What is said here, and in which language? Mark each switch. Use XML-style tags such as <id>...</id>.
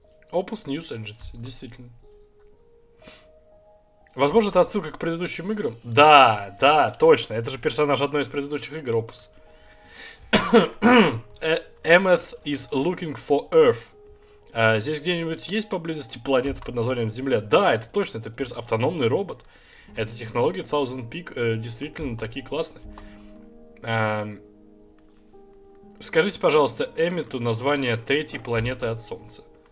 <ru>Opus News Agency, действительно. Возможно, это отсылка к предыдущим играм? Да, да, точно. Это же персонаж одной из предыдущих игр, Opus.</ru> <en>Emeth is looking for Earth.</en> <ru>Здесь где-нибудь есть поблизости планета под названием Земля? Да, это точно, это автономный робот. Это технологии Thousand Peak действительно такие классные. Скажите, пожалуйста, Эммету название третьей планеты от Солнца.</ru>